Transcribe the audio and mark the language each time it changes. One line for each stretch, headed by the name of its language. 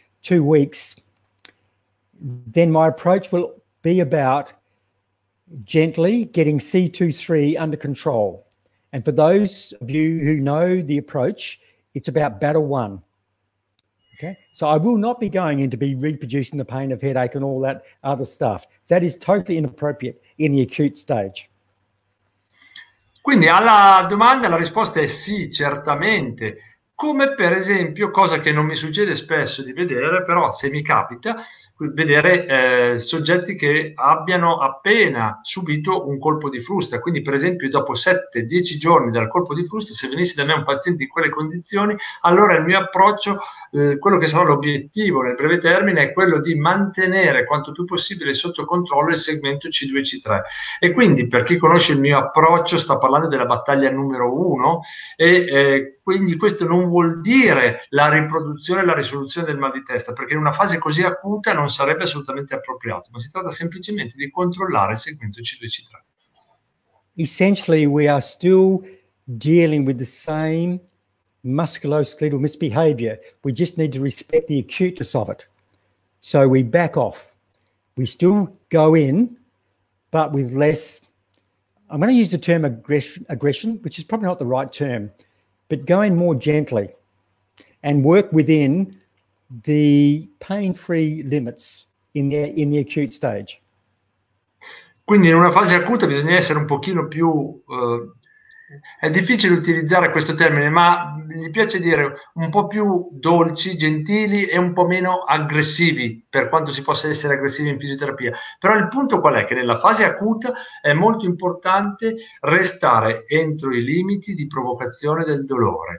English: 2 weeks, then my approach will be about gently getting C2-3 under control. And for those of you who know the approach, it's about battle one. Okay, so I will not be going into be reproducing the pain of headache and all that other stuff. That is totally inappropriate in the acute stage.
Italian: Quindi alla domanda la risposta è sì, certamente. Come per esempio, cosa che non mi succede spesso di vedere, però se mi capita, vedere soggetti che abbiano appena subito un colpo di frusta. Quindi per esempio dopo 7-10 giorni dal colpo di frusta, se venisse da me un paziente in quelle condizioni, allora il mio approccio, quello che sarà l'obiettivo nel breve termine, è quello di mantenere quanto più possibile sotto controllo il segmento C2-C3. E quindi per chi conosce il mio approccio, sto parlando della battaglia numero 1, e quindi questo non vuol dire la riproduzione e la risoluzione del mal di testa, perché in una fase così acuta non sarebbe assolutamente appropriato, ma si tratta semplicemente di controllare il segmento C2-C3.
English: Essentially we are still dealing with the same musculoskeletal misbehavior. We just need to respect the acuteness of it. So we back off. We still go in, but with less, I'm going to use the term aggression, which is probably not the right term, but go in more gently and work within the pain-free limits in the acute stage.
Italian: Quindi in una fase acuta bisogna essere un pochino più è difficile utilizzare questo termine, ma mi piace dire un po' più dolci, gentili e un po' meno aggressivi, per quanto si possa essere aggressivi in fisioterapia. Però il punto qual è? Che nella fase acuta è molto importante restare entro i limiti di provocazione del dolore.